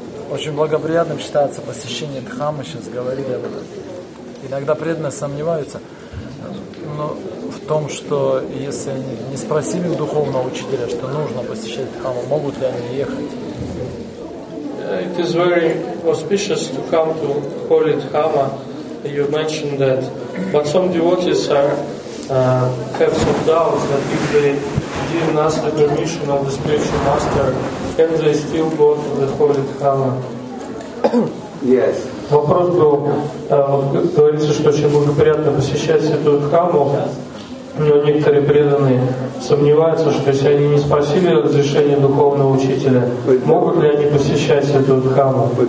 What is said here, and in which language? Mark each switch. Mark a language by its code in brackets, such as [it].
[ru] Очень благоприятным считается посещение Дхамы, сейчас говорили об этом. Иногда преданные сомневаются, но в том, что если они не спросили у духовного учителя, что нужно посещать Дхаму, могут ли они ехать? [en] It is very auspicious to come to holy Dhamma. You mentioned that. But some devotees are have some doubts that if they didn't ask the permission of the spiritual master, can they still go to the holy Dhamma? Yes. [ru] Вопрос был, говорится, что очень благоприятно посещать Святую Дхамму, но некоторые преданные сомневаются, что если они не спросили разрешения духовного учителя, могут ли они посещать Святую Дхамму?